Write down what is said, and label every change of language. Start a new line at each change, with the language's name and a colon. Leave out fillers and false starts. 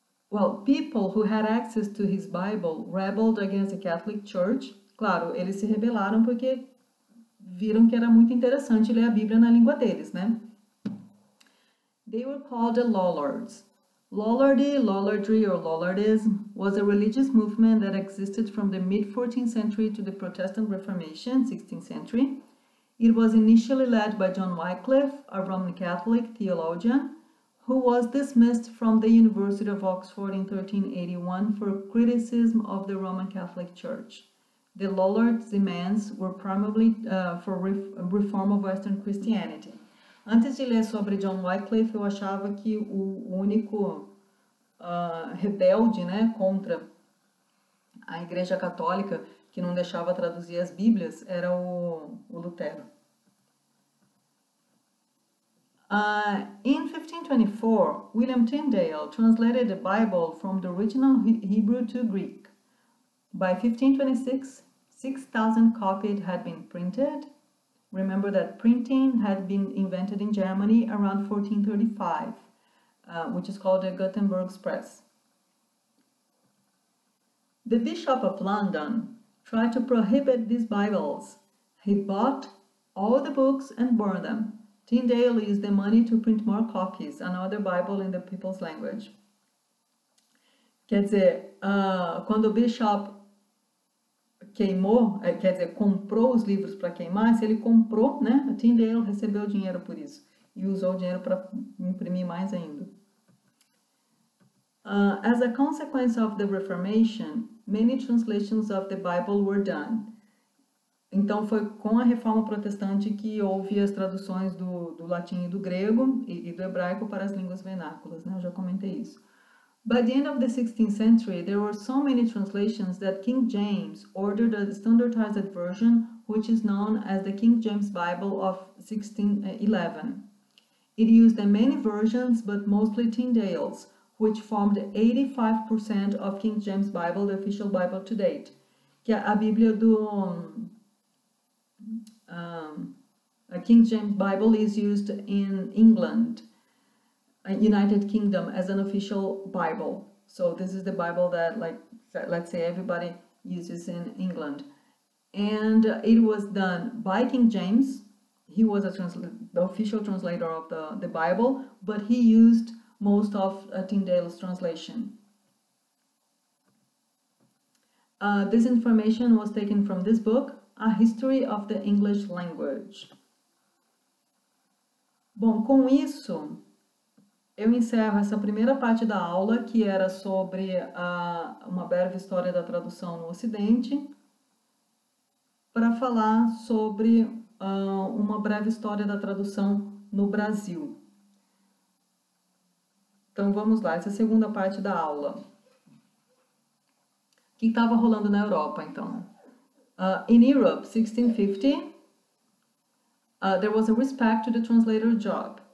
English: Well, people who had access to his Bible rebelled against the Catholic Church.
Portuguese: Claro, eles se rebelaram porque viram que era muito interessante ler a Bíblia na língua deles, né?
English: They were called the Lollards. Lollardy, Lollardry, or Lollardism was a religious movement that existed from the mid-14th century to the Protestant Reformation, 16th century. It was initially led by John Wycliffe, a Roman Catholic theologian, who was dismissed from the University of Oxford in 1381 for criticism of the Roman Catholic Church. The Lollards' demands were primarily for reform of Western Christianity.
Portuguese: Antes de ler sobre John Wycliffe, eu achava que o único rebelde, né, contra a Igreja Católica que não deixava traduzir as Bíblias era o Lutero.
English: In 1524, William Tyndale translated the Bible from the original Hebrew to Greek. By 1526, 6,000 copies had been printed. Remember that printing had been invented in Germany around 1435, which is called the Gutenberg Press. The Bishop of London tried to prohibit these Bibles. He bought all the books and burned them. Tyndale used the money to print more copies, another Bible in the people's language.
Portuguese: Quer dizer, quando o bishop queimou, quer dizer, comprou os livros para queimar, se ele comprou, né? Tyndale recebeu dinheiro por isso e usou o dinheiro para imprimir mais ainda.
English: As a consequence of the Reformation, many translations of the Bible were done.
Portuguese: Então, foi com a Reforma Protestante que houve as traduções do latim e do grego e do hebraico para as línguas vernáculas, né? Eu já comentei isso.
English: By the end of the 16th century, there were so many translations that King James ordered a standardized version, which is known as the King James Bible of 1611. It used the many versions, but mostly Tyndale's, which formed 85% of King James Bible, the official Bible to date.
Portuguese: Que é a Bíblia do...
English: a King James Bible is used in England, United Kingdom, as an official Bible. So this is the Bible that, like, let's say everybody uses in England. And it was done by King James. He was the official translator of the Bible, but he used most of Tyndale's translation. This information was taken from this book, A History of the English Language.
Portuguese: Bom, com isso, eu encerro essa primeira parte da aula, que era sobre uma breve história da tradução no Ocidente, para falar sobre uma breve história da tradução no Brasil. Então, vamos lá, essa é a segunda parte da aula. O que estava rolando na Europa, então?
English: In Europe, 1650, there was a respect to the translator's job.